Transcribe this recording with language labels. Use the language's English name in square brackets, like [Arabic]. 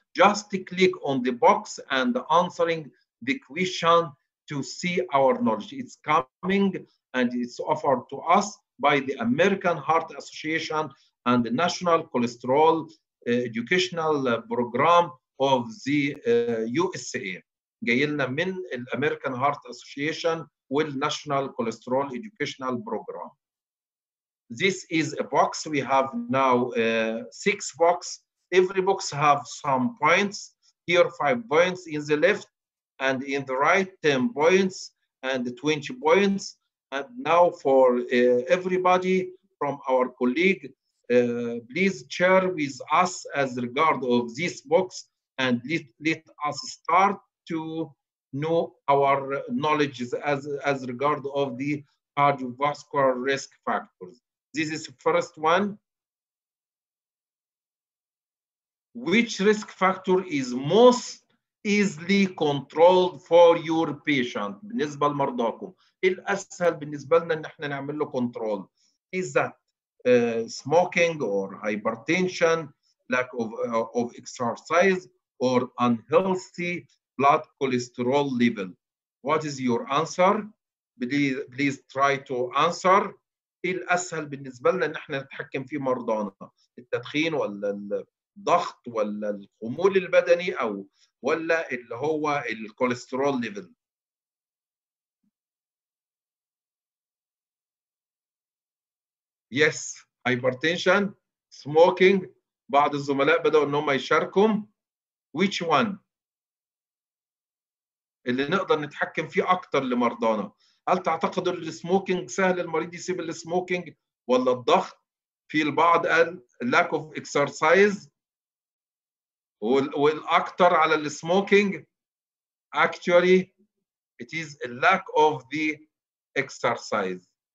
[English] Just click on the box and answering the question to see our knowledge. It's coming and it's offered to us by the American Heart Association and the National Cholesterol Educational Program of the USA. [Arabic] جايلنا من الأمريكان هارت أسوشيشن والناشونال كوليسترول إدوكيشنال بروجرام. [English] This is a box. We have now six box. Every box have some points. Here 5 points in the left and in the right 10 points and 20 points. And now for everybody from our colleague, please share with us as regard of this box and let us start to know our knowledge as regard of the cardiovascular risk factors. This is the first one. Which risk factor is most easily controlled for your patient? [Arabic] بالنسبة لمرضاكم. الأسهل بالنسبة لنا إن احنا نعمل له control. [English] Is that smoking or hypertension, lack of exercise or unhealthy blood cholesterol level? What is your answer? Please try to answer. [Arabic] الأسهل بالنسبة لنا إن احنا نتحكم في مرضانا. التدخين ولا الضغط ولا الخمول البدني أو ولا اللي هو الكوليسترول ليفل. [English] Yes, hypertension, smoking. [Arabic] بعض الزملاء بدأوا إن هم يشاركوا. [English] Which one [Arabic] اللي نقدر نتحكم فيه أكتر لمرضانا؟ هل تعتقد السموكينج سهل المريض يسيب السموكينج ولا الضغط؟ في البعض قال [English] lack of exercise [Arabic] والأكتر على السموكينج. [English] Actually, it is a lack of the exercise.